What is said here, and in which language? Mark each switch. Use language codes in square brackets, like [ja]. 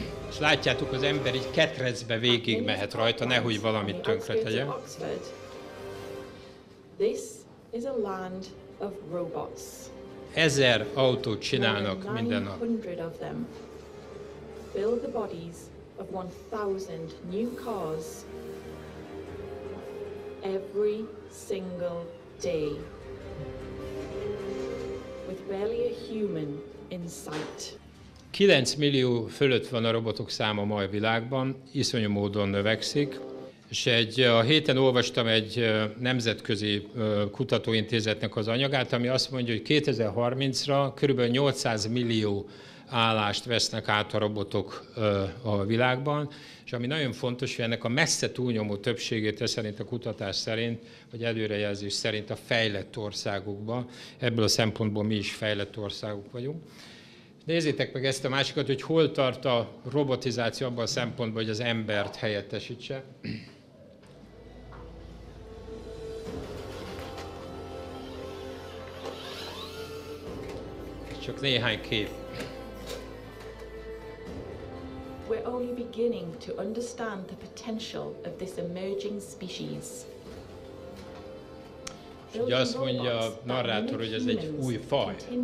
[hu] És látjátok, az ember így ketrecbe végig mehet rajta, nehogy valamit tönkre tegye. [en] This is a land of robots. [hu] 1000 autót csinálnak minden nap. [en] Build the bodies of 1000 new cars every single day with barely a human in sight. [hu] 9 millió fölött van a robotok száma ma a világban, iszonyú módon növekszik. És a héten olvastam egy nemzetközi kutatóintézetnek az anyagát, ami azt mondja, hogy 2030-ra kb. 800 millió állást vesznek át a robotok a világban. És ami nagyon fontos, hogy ennek a messze túlnyomó többségét szerint a kutatás szerint, vagy előrejelzés szerint a fejlett országokban, ebből a szempontból mi is fejlett országok vagyunk. Nézzétek meg ezt a másikat, hogy hol tart a robotizáció abban a szempontból, hogy az embert helyettesítse. Csak néhány kép. [en] We're only beginning to understand the potential of this emerging species. [hu] És ugye azt mondja a narrátor, hogy ez egy új faj.